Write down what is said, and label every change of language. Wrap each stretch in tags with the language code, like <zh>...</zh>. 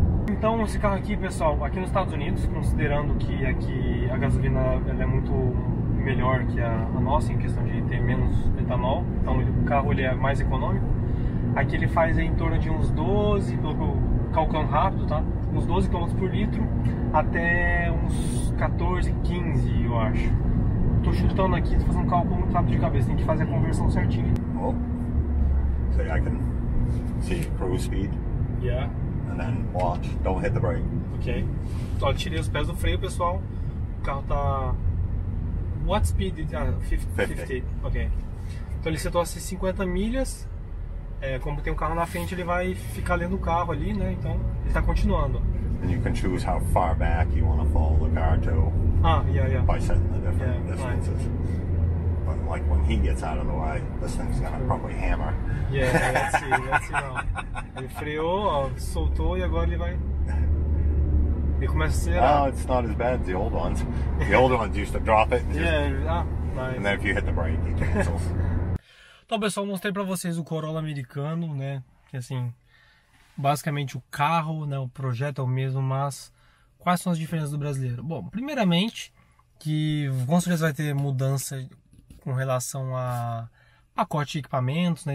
<pt>Então esse carro aqui, pessoal, aqui nos Estados Unidos, considerando que aqui a gasolina ela é muito melhor que a nossa em questão de ter menos etanol, então o carro ele é mais econômico. Aqui ele faz em torno de uns 12, pelo que eu calculando rápido, tá? Uns 12 km por litro até uns 14, 15, eu acho. Tô chutando aqui, tô fazendo um cálculo muito rápido de cabeça, tem que fazer a conversão certinha. Oh.</pt> <en>So I can see cruise speed. Yeah. And then watch, don't hit the brake. Ok.</en> <pt>Então, eu tirei os pés do freio, pessoal. O carro tá.</pt> <en>What speed?</en> <pt>Ah, 50. Ok. Então ele setou assim 50 milhas. É, como tem um carro na frente, ele vai ficar lendo o carro ali, né? Então ele tá continuando.</pt> <en>And you can choose how far back you want to follow the car to. Ah, yeah, yeah. By setting the different distances. But like when he gets out of the way, this thing's gonna probably hammer. Yeah, let's see, não.</en> <pt>Ele freou, ó, soltou e agora ele vai. Ele começa a acelerar.</pt> <en>Oh, it's not as bad as the old ones. The old ones used to drop it. Just... Yeah, ah, nice. And then if you hit the brake, it cancels.</en> <pt>Então, pessoal, mostrei para vocês o Corolla americano, né? Que assim, basicamente o carro, né? O projeto é o mesmo, mas quais são as diferenças do brasileiro? Bom, primeiramente, que com certeza vai ter mudança com relação a pacote de equipamentos, né?</pt>